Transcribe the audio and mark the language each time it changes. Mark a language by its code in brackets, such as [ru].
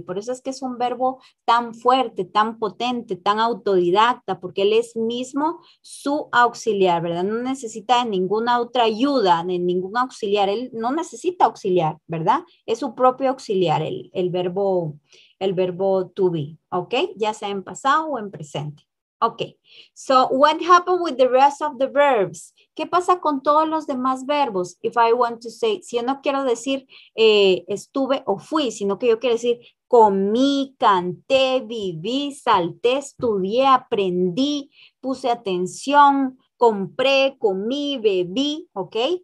[es] Por eso es que es un verbo tan fuerte, tan potente, tan autodidacta, porque él es mismo su auxiliar, ¿verdad? No necesita de ninguna otra ayuda, de ningún auxiliar. Él no necesita auxiliar, ¿verdad? Es su propio auxiliar, el verbo to be, ¿ok? Ya sea en pasado o en presente. [en] Ok, so what happened with the rest of the verbs? [es] ¿Qué pasa con todos los demás verbos? [en] If I want to say, [es] si yo no quiero decir estuve o fui, sino que yo quiero decir comí, canté, viví, salté, estudié, aprendí, puse atención, compré, comí, bebí, ¿ok?